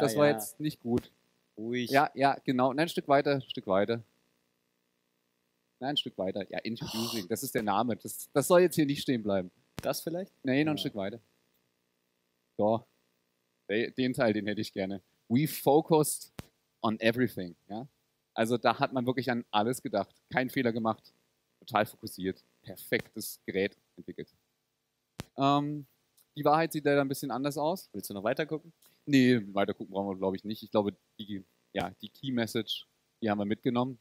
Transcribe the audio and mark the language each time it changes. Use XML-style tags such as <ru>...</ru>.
<de>das war ja. jetzt nicht gut. Ruhig. Ja, genau. Nein, ein Stück weiter, ein Stück weiter. Nein, ein Stück weiter. Ja, introducing. Das ist der Name. Das soll jetzt hier nicht stehen bleiben. Das vielleicht? Nein, noch ein Ja. Stück weiter. So. Den Teil, den hätte ich gerne.</de> <en>We focused on everything.</en> <de>Ja? Also da hat man wirklich an alles gedacht. Kein Fehler gemacht. Total fokussiert. Perfektes Gerät entwickelt. Die Wahrheit sieht leider ein bisschen anders aus. Willst du noch weiter gucken? Nee, weitergucken brauchen wir, glaube ich, nicht. Ich glaube, die Key Message, die haben wir mitgenommen.</de>